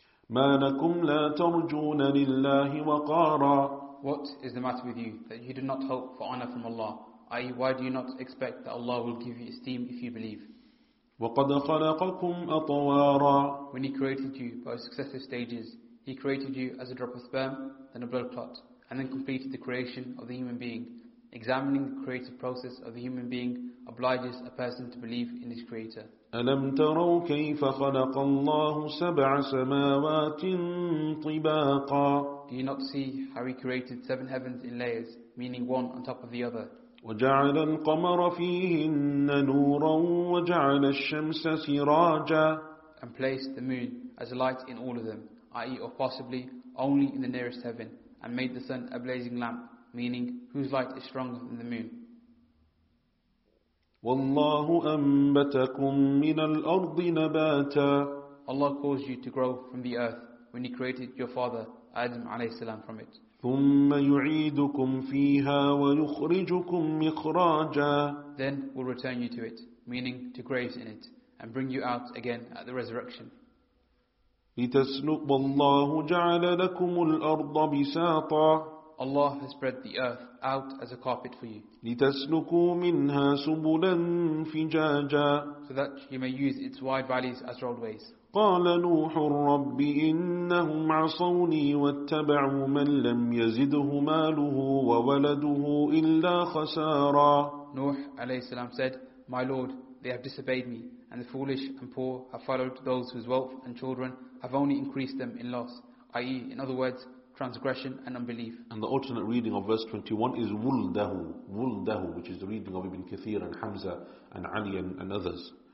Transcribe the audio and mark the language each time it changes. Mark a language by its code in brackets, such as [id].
[ar] ما لكم لا ترجون لله وقارا. [en] What is the matter with you that you do not hope for honor from Allah? I.e. why do you not expect that Allah will give you esteem if you believe? [ar] وقد خلقكم أطوارا. [en] When He created you by successive stages, He created you as a drop of sperm, then a blood clot, and then completed the creation of the human being. Examining the creative process of the human being obliges a person to believe in his creator. [ar] أَلَمْ تَرَوْا كَيْفَ خَلَقَ اللَّهُ سَبْعَ سَمَاوَاتٍ طِبَاقًا. [en] Do you not see how He created seven heavens in layers, meaning one on top of the other? [ar] وَجَعَلَ الْقَمَرَ فِيهِنَّ نُورًا وَجَعَلَ الشَّمْسَ سِرَاجًا. [en] And placed the moon as a light in all of them, i.e. or possibly only in the nearest heaven, and made the sun a blazing lamp, meaning whose light is stronger than the moon. [ar] والله أنبتكم من الأرض نباتا. [en] Allah caused you to grow from the earth when He created your father Adam [ar] عليه السلام [en] from it. [ar] ثم يعيدكم فيها ويخرجكم مخراجا. [en] Then will return you to it, meaning to graves in it, and bring you out again at the resurrection. [ar] لتسلك والله جعل لكم الأرض بساطا. [en] Allah has spread the earth out as a carpet for you. [ar] لتسلكوا منها سبلا فجاجا. [en] So that you may use its wide valleys as roadways. [ar] قال نوح رب إنهم عصوني واتبعوا من لم يزده ماله وولده إلا خسارا. [en] Nuh [ar] عليه السلام [en] said, My Lord, they have disobeyed me, and the foolish and poor have followed those whose wealth and children have only increased them in loss, i.e. in other words, transgression and unbelief. And the alternate reading of verse 21 is Wuldahu, Wuldahu, which is the reading of Ibn Kathir and Hamza and Ali and others.